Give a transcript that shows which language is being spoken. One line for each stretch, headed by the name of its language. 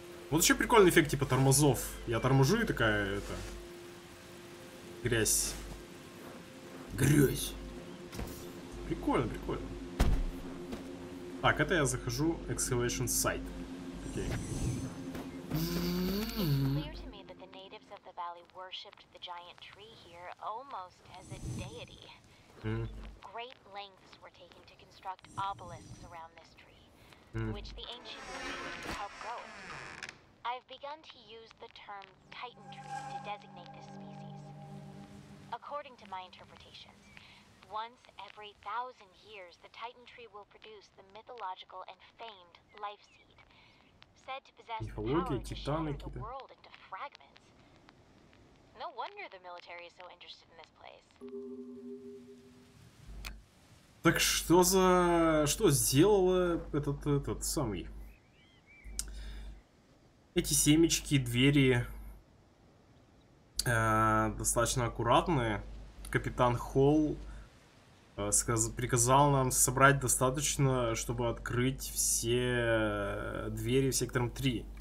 Russian: Вот еще прикольный эффект, типа, тормозов. Я торможу и такая, это... Грязь. Грязь. Прикольно, прикольно. Так, это я захожу
English: excavation site. Okay. It's clear to me that the natives of the valley worshipped the giant tree here almost as a deity. Great lengths were taken to construct obelisks around this tree, which the ancient people helped grow. I've begun to use the term Titan tree to designate this species. According to my interpretations. Once every thousand years, the Titan tree will produce the mythological and famed life seed, said to possess the power to shatter the world into fragments. No wonder the military is so interested in this place.
Russian: Так что за что сделало этот самый? Эти семечки, двери достаточно аккуратные. Капитан Холл приказал нам собрать достаточно, чтобы открыть все двери в сектором 3.